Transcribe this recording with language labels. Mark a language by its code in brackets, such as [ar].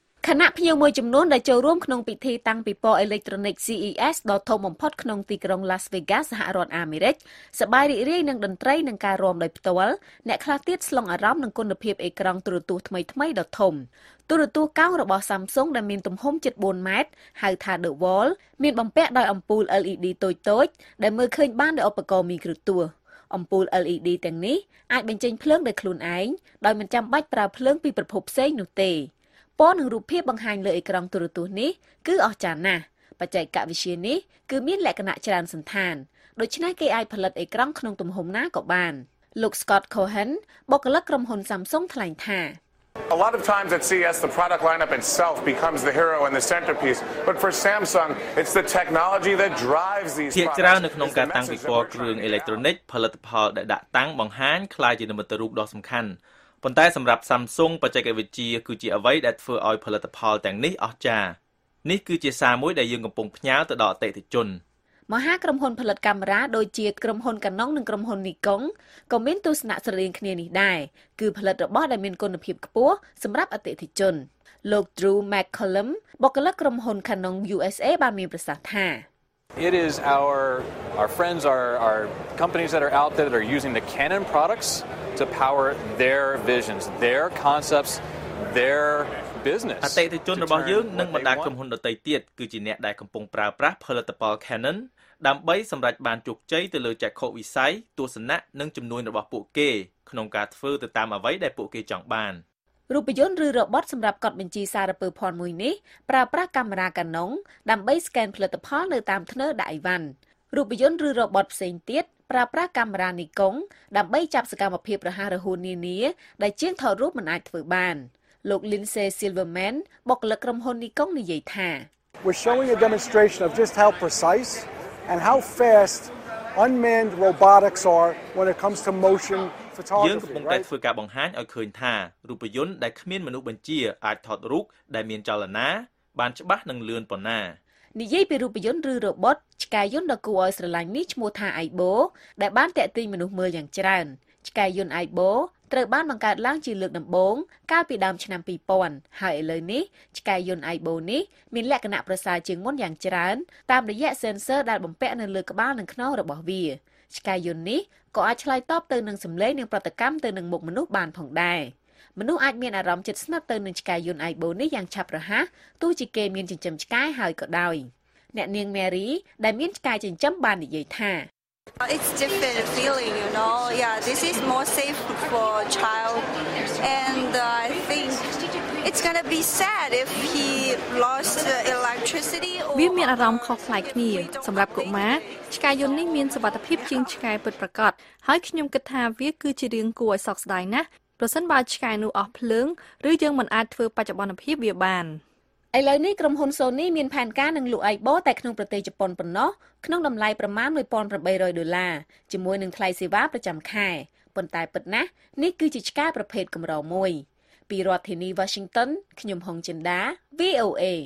[km] គណៈភ្ញៀវមួយចំនួនដែលចូលរួមក្នុងពិធីតាំងពិព័រណ៍អេឡិចត្រូនិក CES ដ៏ធំបំផុតក្នុងទីក្រុង Las Vegas សហរដ្ឋអាមេរិកសប្បាយរីករាយនឹងតន្ត្រីនិងការរាំដោយផ្ទាល់អ្នកខ្លះទៀតស្លុងអារម្មណ៍នឹងគុណភាពអេក្រង់ទូរទស្សន៍ថ្មីៗដ៏ធំទូរទស្សន៍កោងរបស់ Samsung ដែលមានទំហំជិត4ម៉ែត្រហៅថា The Wall មានបំពាក់ដោយអំពូល LED តូចៗដែលមើលឃើញបានដោយឧបករណ៍មីក្រូទស្សន៍អំពូល LED ទាំងនេះអាចបញ្ចេញភ្លើងដោយខ្លួនឯងដោយមិនចាំបាច់ប្រើភ្លើងពីប្រភពផ្សេងនោះទេ ពណ៌និងរូបភាពបង្ហាញលើអេក្រង់ទូរទស្សន៍នេះគឺអស្ចារ្យណាស់បច្ចេកវិទ្យានេះគឺមានលក្ខណៈច្រើនសណ្ឋានដូច្នេះគេអាចផលិតអេក្រង់ក្នុងទំហំណាក៏បានលោក Scott Cohen បុគ្គលិកក្រុមហ៊ុន Samsung ថ្លែងថា [en] A lot of times at CES, the product lineup itself becomes the hero and the centerpiece. But for Samsung, it's the technology that drives these products. [km] ជាច្រើននៅក្នុងការតាំងពិព័រណ៍គ្រឿងអេឡិចត្រូនិកផលិតផលដែលដាក់តាំងបង្ហាញខ្លាយជានិមិត្តរូបដ៏សំខាន់ប៉ុន្តែសម្រាប់ Samsung បច្ចេកវិទ្យាគឺជាអ្វីដែលធ្វើឲ្យផលិតផលទាំងនេះអស្ចារ្យនេះគឺជាសារមួយដែលយើងកំពុងផ្ញើទៅដល់អតិថិជន មហាក្រុមហ៊ុនផលិតកាមេរ៉ាដូចជាក្រុមហ៊ុន Canon និងក្រុមហ៊ុន Nikon ក៏មានទស្សនៈស្រដៀងគ្នានេះដែរគឺផលិតរបស់ដែលមានគុណភាពខ្ពស់សម្រាប់អតិថិជនលោក Drew McCollum បុគ្គលិកក្រុមហ៊ុន Canon USA បានមានប្រសាសន៍ថា [en] It is our friends our companies that are out there that are using the Canon products to power their visions their concepts their business [km] អតិថិជនរបស់យើងនិងបណ្ដាក្រុមហ៊ុនដទៃទៀតគឺជាអ្នកដែលកំពុងប្រើប្រាស់ផលិតផល Canonដើម្បីសម្រេចបានជោគជ័យទៅលើចក្ខុវិស័យទស្សនៈនិងចំនួនរបស់ពួកគេក្នុងការធ្វើទៅតាមអ្វីដែលពួកគេចង់បាន រូបយន្តឬរ៉ូបតសម្រាប់កត់បញ្ជីសារពើភ័ណ្ឌមួយនេះប្រើប្រាស់កាមេរ៉ា Canon ដើម្បី scan ផលិតផលនៅតាមធ្នើដាក់អីវ៉ាន់រូបយន្តឬរ៉ូបតផ្សេងទៀតប្រើប្រាស់កាមេរ៉ា Nikon ដើម្បីចាប់សកម្មភាពរហ័សរហួននានាដែលជាងថតរូបមិនអាចធ្វើបានលោក Lindsay Silverman បុគ្គលិកក្រុមហ៊ុន Nikon និយាយថា [en] We're showing a demonstration of just how preciseand how fast unmanned robotics are when it comes to motion photography [km] យើងកំពុងតែធ្វើការបង្ហាញឲ្យឃើញថារូបយន្តដែលគ្មានមនុស្សបញ្ជាអាចថតរូបដែលមានចលនាបានច្បាស់និងលឿនប៉ុណ្ណានិយាយពីរូបយន្តឬរ៉ូបូតឆ្កែយន្តដ៏គួរឲ្យស្រឡាញ់នេះឈ្មោះថា Aibo ដែលបានតាក់ទាញមនុស្សមើលយ៉ាងច្រើនឆ្កែយន្ត Aibo ត្រូវបានបង្កើតឡើងជាលើកដំបូងកាលពីដើមឆ្នាំ2000ហើយឥឡូវនេះឆ្កែយន្ត Aibo នេះមានលក្ខណៈប្រសើរជាងមុនយ៉ាងច្រើនតាមរយៈ sensor ដែលបំពាក់នៅលើក្បាលនិងខ្នងរបស់វាឆ្កែយន្តនេះក៏អាចឆ្លើយតបទៅនឹងសំឡេងនិងប្រតិកម្មទៅនឹងមុខមនុស្សបានផងដែរ មនុស្សអាចមានអារម្មណ៍ជិតស្និទ្ធទៅនឹងឆ្កែយន្ត Aibo នេះយ៉ាងឆាប់រហ័សទោះជាគេមានចិញ្ចឹមឆ្កែហើយក៏ដោយអ្នកនាងមេរីដែលមានឆ្កែចិញ្ចឹមបាននិយាយថា [en] It's different feeling, you know. Yeah, this is more safe for a child. And I think it's going to be sad if he lost the electricity or [km] វាមានអារម្មណ៍ខុសផ្លាយគ្នាសម្រាប់កុមារឆ្កែយន្តនេះមានសុវត្ថិភាពជាងឆ្កែពិតប្រាកដហើយខ្ញុំគិតថាវាគឺជារឿងគួរឲ្យសោកស្ដាយណាស់ប្រសិនបើឆ្កែនោះអស់ភ្លើងឬយើងមិនអាចធ្វើបច្ចុប្បន្នភាពវាបាន ឥឡូវនេះក្រុមហ៊ុន Sony មានផែនការនឹងលក់ Aibo តែក្នុងប្រទេសជប៉ុនប៉ុណ្ណោះក្នុងតម្លៃប្រមាណ$1,800ជាមួយនឹងថ្លៃសេវាប្រចាំខែប៉ុន្តែពិតណាស់នេះគឺជាឆ្កែប្រភេទកម្រមួយពីរដ្ឋធានី Washington ខ្ញុំហុងចិនដា VOA